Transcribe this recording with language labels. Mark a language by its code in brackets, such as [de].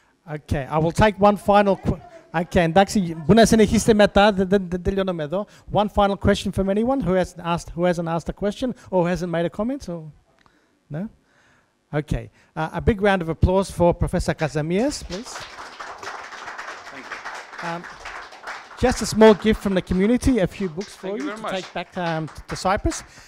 [en] Okay, I will take one final question. [el] Okay, εντάξει, μπορεί να συνεχίσετε μετά, δεν τελειώνουμε εδώ. [en] One final question from anyone who hasn't asked a question or hasn't made a comment? Or? No? Okay. A big round of applause for Professor Kazamias, please. Thank you. Just a small gift from the community, a few books for you to take back to Cyprus.